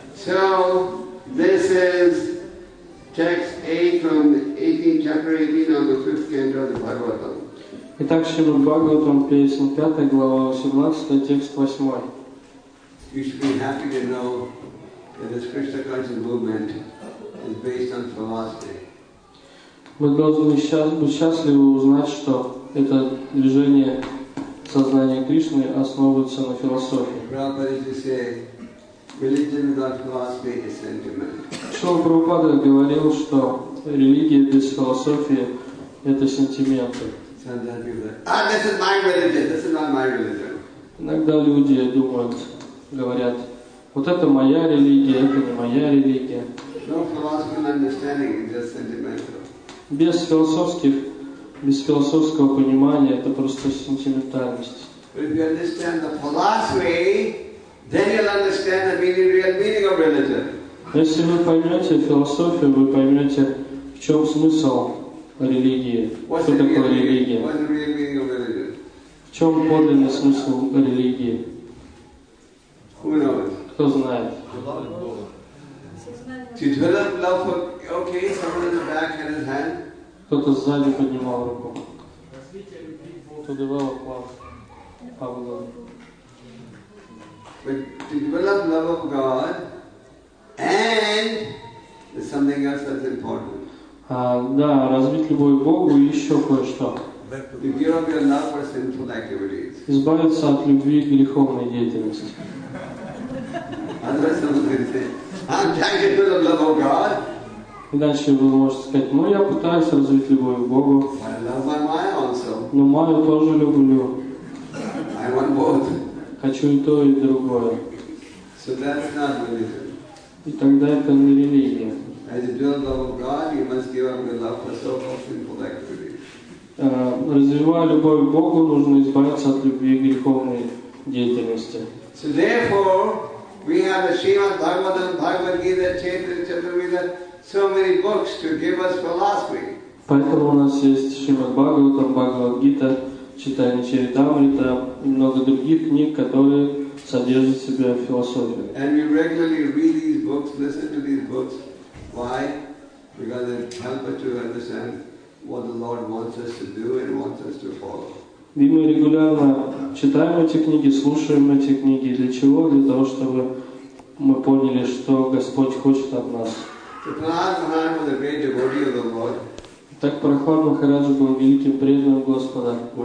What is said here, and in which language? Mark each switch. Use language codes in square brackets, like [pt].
[en] So this is text 8 from the 18th chapter 18 on the 5th canto of the Bhagavatam. [ru] Итак, Шримад Бхагаватам, песня 5, глава 18, текст 8. [en] You should be happy to know that this Krishna conscious movement is based on philosophy. [ru] Мы должны быть счастливы узнать, что это движение сознания Кришны основывается на философии. [en] Religion without philosophy is sentiment. [ru] Шрила Прабхупада говорил, что религия без философии – это сентименты. [en] This is my religion, this is not my religion. [ru] Иногда люди думают, говорят, вот это моя религия, это не моя религия. [en] No philosophy and understanding, just sentimental. [ru] Без философского понимания – это просто сентиментальность. [en] But if you understand the philosophy, then you'll understand the meaning, real meaning of religion. [ru] Если вы поймете философию, вы поймете, в чем смысл религии. Что такое религия? [en] What's the real meaning of religion? [ru] В чем подлинный смысл религии? [en] Who knows? [ru] Кто знает? [en] To develop love for... Okay, someone in the back had his hand. [ru] Кто-то сзади поднимал руку. [en] To develop love for God. But to develop love of God, and there's something else that's important. [ru] Да, развить любовь к Богу и еще кое-что. [en] To give up your love for sinful activities. [ru] Избавиться от любви к греховной деятельности. [en] Unless someone can say, I'm trying to develop love of God. [ru] И дальше вы можете сказать, ну я пытаюсь развить любовь к Богу. [en] I love my Maya also. [ru] Но Майю тоже люблю. [en] I want both. [ru] Хочу и то, и другое. [en] So that's not religion. [ru] И тогда это не религия. [en] As you build love of God, you must give up your love for so-called sinful activities. [ru] Развивая любовь к Богу, нужно избавиться от любви и греховной деятельности. [en] So therefore, we have the Srimad Bhagavatam, Bhagavad Gita, Chaitanya Charitamrita, so many books to give us philosophy. [ru] Поэтому у нас есть Шримад Бхагаватам, Бхагавад Гита, Читание Чаритамрита и много других книг, которые содержат в себе философию. [en] And we regularly read these books, listen to these books. Why? Because they help us to understand what the Lord wants us to do and wants us to follow. [ru] И мы регулярно читаем эти книги, слушаем эти книги. Для чего? Для того, чтобы мы поняли, что Господь хочет от нас. [en] So Prahlad Maharaj was a great devotee of the Lord. Так Прохлад Махараджа был великим преданным Господа.